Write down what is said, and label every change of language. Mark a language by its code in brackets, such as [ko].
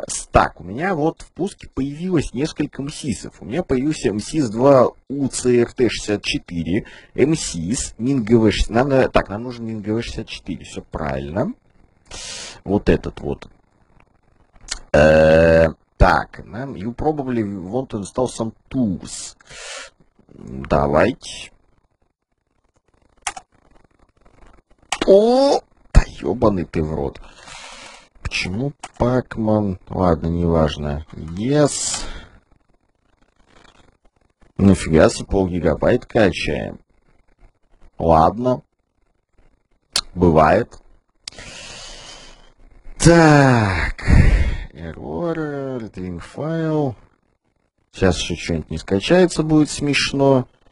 [ru] Так, у меня вот в пуске появилось несколько MSIS-ов. У меня появился MSIS 2 UCRT64, MSIS, MinGV. Так, нам нужен MinGV 64. Все правильно. Вот этот вот. Так, нам. [en] You probably want to install some tools. [ru] Давайте. О, да ебаный ты в рот. Почему Pacman? Ладно, неважно. Yes. Нафига себе, полгигабайт качаем. Ладно. Бывает. Так. [en] Error, retrieving [ru] файл. Сейчас еще что-нибудь не скачается, будет смешно.